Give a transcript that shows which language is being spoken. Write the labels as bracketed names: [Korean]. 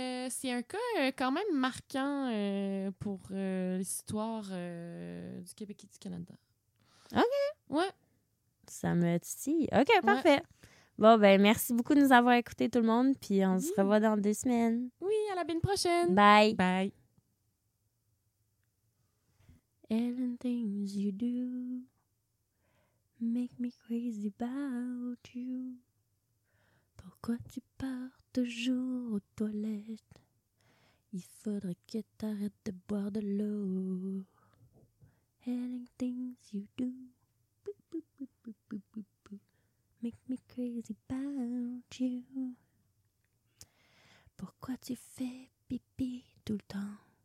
[French] C'est un cas quand même marquant pour l'histoire du Québec et du Canada. OK. Ouais. Ça me titille. OK, parfait. Ouais. Bon, ben merci beaucoup de nous avoir écoutés, tout le monde. Puis on se revoit dans 2 semaines. Oui, à la bine prochaine. Bye. Bye. [English] And things you do make me crazy about you. [French] Pourquoi tu pars toujours aux toilettes? Il faudrait que t'arrêtes de boire de l'eau. [English] And things you do make me crazy about you. [French] Pourquoi tu fais pipi tout le temps?